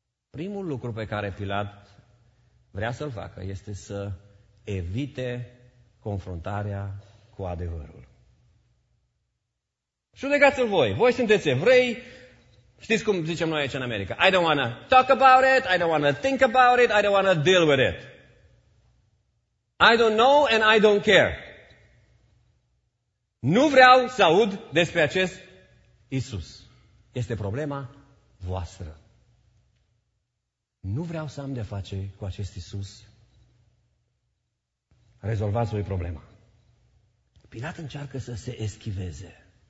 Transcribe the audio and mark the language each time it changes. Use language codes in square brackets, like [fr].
[ro] Primul lucru pe care Pilat vrea să-l facă este să evite confruntarea cu adevărul. Judecați-l voi, voi sunteți evrei. Știți cum zicem noi aici în America? [en] I don't want to talk about it, I don't want to think about it, I don't want to deal with it. I don't know and I don't care. [ro] Nu vreau să aud despre acest Iisus. Este problema voastră. Nu vreau să am de-a face cu acest Iisus. Rezolvați-vă problema. Pilat încearcă să se eschiveze.